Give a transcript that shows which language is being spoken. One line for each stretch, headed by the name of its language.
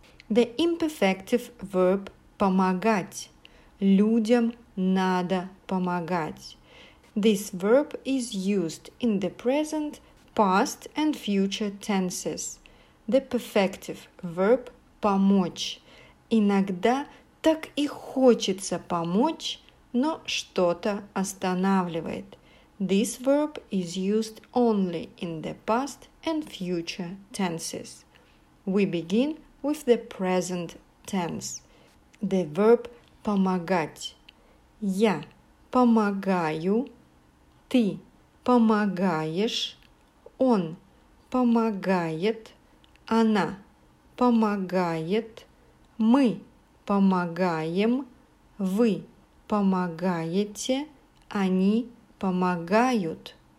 English: The imperfective verb помогать.
Russian: Людям надо помогать.
English: This verb is used in the present, past and future tenses. The perfective verb помочь.
Russian: Иногда так и хочется помочь, но что-то останавливает.
English: This verb is used only in the past and future tenses. We begin with the present tense. The verb
Russian: помогать. Я помогаю, ты помогаешь, он помогает, она помогает, мы помогаем, вы помогаете, они помогают.